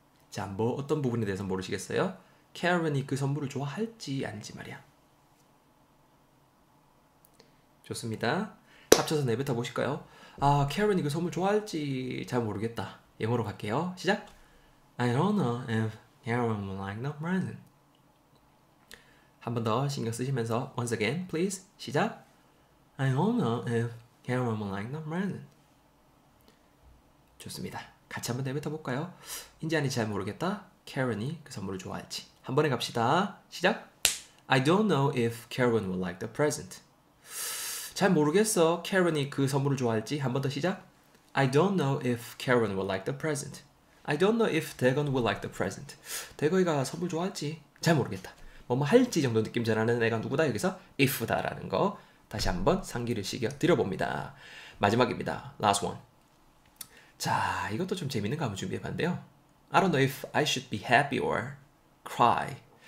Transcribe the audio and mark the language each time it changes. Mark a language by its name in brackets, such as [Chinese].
[Korean] 자, 뭐 어떤 부분에 대해서 모르시겠어요? 캐런이 그 선물을 좋아할지 아닌지 말이야. 좋습니다. 합쳐서 내뱉어 보실까요? 캐런이 그 선물 좋아할지 잘 모르겠다. 영어로 갈게요. 시작. [English] I don't know if Karen will like the present. [Korean] 한번더 신경 쓰시면서 [English] once again, please. [Korean] 시작. [English] I don't know if Karen will like the present. [Korean] 좋습니다. 같이 한번 내뱉어 볼까요? 인지아니 잘 모르겠다. 캐런이 그 선물을 좋아할지. 한 번에 갑시다. 시작. [English] I don't know if Karen will like the present. [Korean] 잘 모르겠어. 캐런이 그 선물을 좋아할지. 한번더 시작. [English] I don't know if Karen will like the present. I don't know if Daegeon will like the present. [Korean] Daegeon이가 선물 좋아할지 잘 모르겠다. 뭐뭐 할지 정도 느낌 전하는 애가 누구다? 여기서 if다라는 거 다시 한번 상기를 시켜 드려봅니다. 마지막입니다. [English] Last one. [Korean] 자, 이것도 좀 재밌는 거 한번 준비해 봤는데요. [English] I don't know if I should be happy or cry.